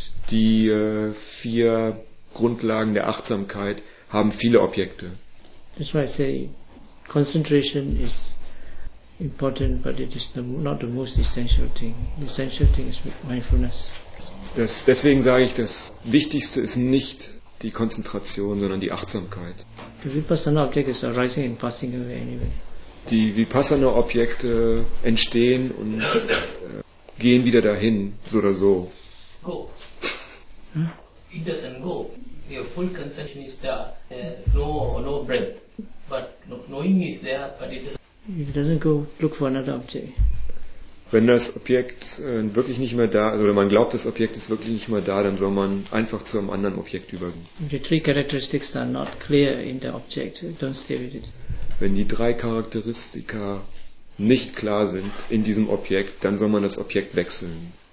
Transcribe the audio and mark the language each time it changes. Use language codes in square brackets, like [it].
[de] Die vier Grundlagen der Achtsamkeit haben viele Objekte. [en] That's why I say concentration is important, but it is not the most essential thing. The essential thing is mindfulness. [de] Deswegen sage ich, das Wichtigste ist nicht die Konzentration, sondern die Achtsamkeit. [en] The Vipassana object is arising and passing away anyway. [de] Die Vipassana Objekte entstehen und gehen wieder dahin, so oder so. [en] Go. Huh? It doesn't go. Your full concentration is there. No breath. But knowing is there, but it doesn't. If it doesn't go, look for another object. [de] Wenn das Objekt wirklich nicht mehr da ist, oder man glaubt, das Objekt ist wirklich nicht mehr da, dann soll man einfach zu einem anderen Objekt übergehen. [en] The three characteristics are not clear in the object, don't stay with it. [de] Wenn die drei Charakteristika nicht klar sind in diesem Objekt, dann soll man das Objekt wechseln.